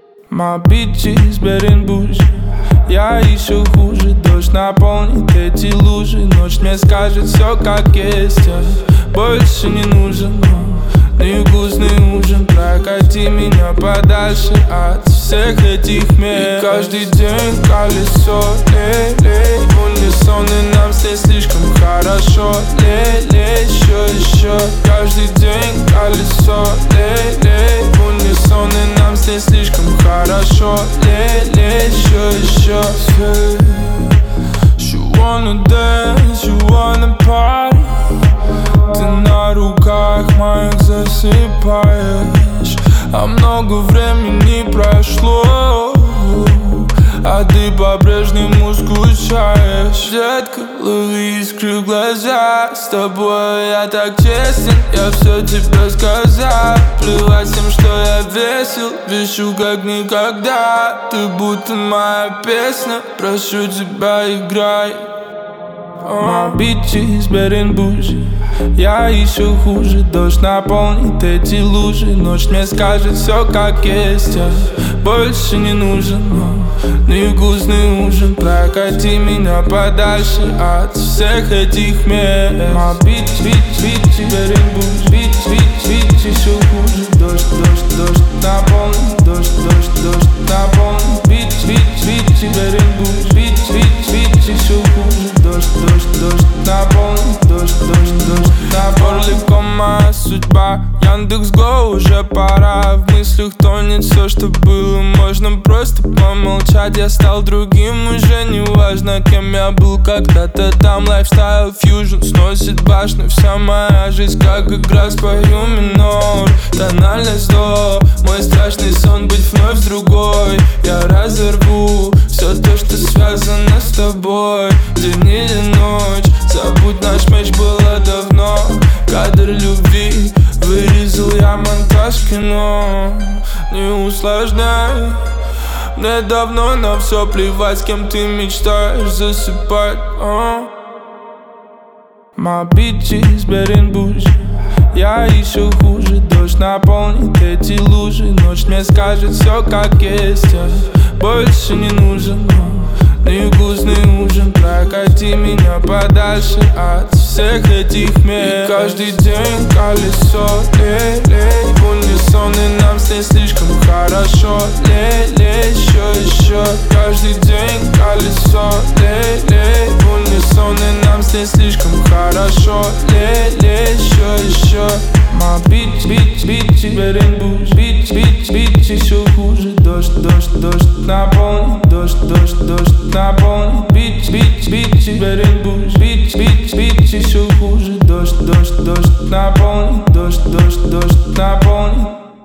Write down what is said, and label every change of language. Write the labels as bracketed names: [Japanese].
[English] My bitch is better than bougie. [Russian] Я еще хуже, дождь наполнит эти лужи. Ночь мне скажет все как есть, я больше не нужен. Невкусный ужин, прокати меня подальше от всех этих мест. И каждый день колесо, лей-лей, в унисон, и нам все слишком хорошо. Лей-лей, еще, еще. Каждый день колесо, лей-лей, в унисон, и нам все слишком хорошо. Лей-лей, еще, еще. [English] She wanna dance, she wanna party. [Russian] Ты на руках моих засыпаешь, а много времени прошло, а ты по-прежнему скучаешь. Детка, лови искры в глаза, с тобой я так честен, я все тебе сказал. Плевать всем, что я весел, вещу как никогда. Ты будто моя песня, прошу тебя, играй. [English] My bitch is better than bougie. [Russian] Я еще хуже, дождь наполнит эти лужи. Ночь мне скажет все как есть, я больше не нужен. Невкусный ужин, прокати меня подальше от всех этих мест. [English] My bitch, bitch, bitch, better than bougie. Bitch, bitch, bitch, [Russian] еще хуже. Дождь, дождь, дождь наполнит. Дождь, дождь, дождь наполнит. [English] Bitch, bitch, bitch, better than bougie. Bitch, bitch, bitch, [Russian] еще хуже. Дождь, дождь, дождь наполнит. Дождь, дождь, дождь. Набор легко, моя судьба. Яндекс.Го уже пора. В мыслях тонет все, что было. Можно просто помолчать. Я стал другим, уже не важно, кем я был когда-то там. Лайфстайл фьюжн сносит башню. Вся моя жизнь как игра. Спою минор, тональность до. Мой страшный сон быть вновь другой. Я разорву все то, что связано с тобой. День или ночь, забудь наш меч, было давно. Кадр любви вырезал я монтаж кино. Не усложняй, мне давно на все плевать, с кем ты мечтаешь засыпать. My bitch is better than bougie. Я еще хуже, дождь наполнит эти лужи. Ночь мне скажет все как есть, я больше не нужен. Невкусный ужин, прокати меня подальше от всех этих мест. И каждый день колесо, лей-лей, в унисон, и нам с ней слишком хорошо. Лей-лей, еще, еще. Каждый день колесо, лей-лей, в унисон, и нам с ней слишком хорошо. Лей-лей, еще, еще. [English] My bitch, bitch, bitch, better than bougie. Bitch, bitch, bitch, [Russian] еще хуже. Дождь, дождь, дождь наполнит. Дождь, дождь, дождь наполнит. [English] Bitch, bitch, bitch, better than bougie. Bitch, bitch, bitch, [Russian] еще хуже. Дождь, дождь, дождь наполнит. Дождь, дождь, дождь наполнит.